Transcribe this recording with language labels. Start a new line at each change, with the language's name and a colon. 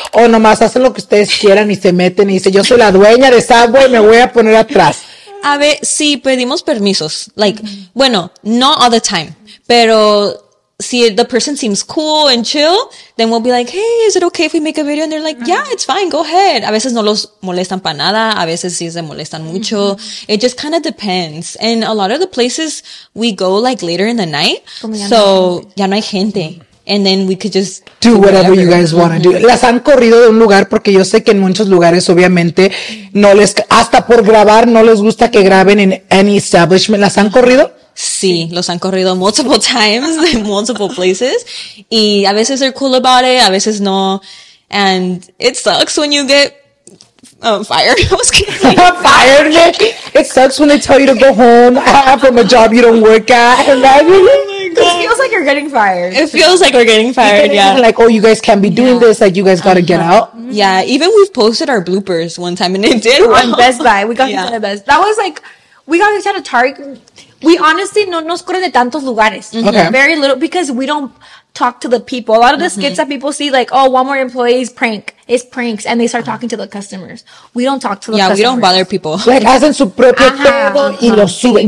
Spanish: O nomás hacen lo que ustedes quieran y se meten y dicen, yo soy la dueña de Subway, me voy a poner atrás. A ver, sí, pedimos permisos. Like, bueno, not all the time. Pero si the person seems cool and chill, then we'll be like, hey, is it okay if we make a video? And they're like, yeah, it's fine, go ahead.
English: A veces no los molestan para nada. A veces sí se molestan mucho.
Spanish: It just kind of depends.
English: And a lot of the places we go, like, later in the night. Ya no hay gente. And then we could just do whatever you guys want to do.
Spanish: Las han corrido de un lugar porque yo sé que en muchos lugares, obviamente, no les, hasta por grabar, no les gusta que graben en any establishment. ¿Las han corrido? Sí, los han corrido multiple times, multiple places. Y a veces they're cool about it, a veces no.
English: And it sucks when you get fired. I was kidding. Fired? It sucks when they tell you to go home from a job you don't work at. It feels like we're getting fired. Yeah. Like, oh, you guys can't be doing this. Like, you guys got to get out. Yeah. Even we've posted our bloopers one time and it did. On Best Buy. We got to the Best. That was like, we got kicked out of Target. We honestly no nos corren de tantos lugares. Okay. Very little because we don't talk to the people. A lot of the skits that people see, like, oh, one more employee's prank. It's pranks. And they start talking to the customers. We don't talk to the customers. Yeah, we don't bother people.
Spanish: Like, hacen su propio todo y lo suben.